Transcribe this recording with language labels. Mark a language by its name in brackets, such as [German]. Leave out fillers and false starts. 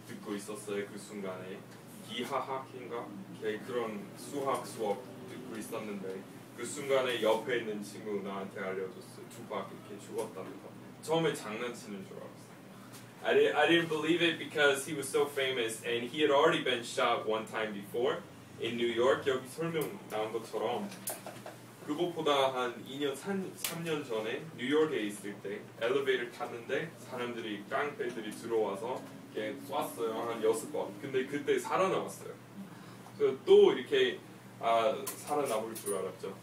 [Korean] 듣고 있었어요 그 순간에 기하학인가 그런 수학 수업 듣고 있었는데 그 순간에 옆에 있는 친구 나한테 알려줬어요 Tupac 이렇게 죽었다는 거. 처음에 장난치는 줄 알았어. [English] I didn't believe it because he was so famous and he had already been shot one time before in New York. [Korean] 여기 설명 나온 것처럼 그것보다 한 2년, 3년 전에 뉴욕에 있을 때 엘리베이터 탔는데 사람들이 깡패들이 들어와서 이렇게 쐈어요 한 6번. 근데 그때 살아남았어요. 그래서 또 이렇게 살아남을 줄 알았죠.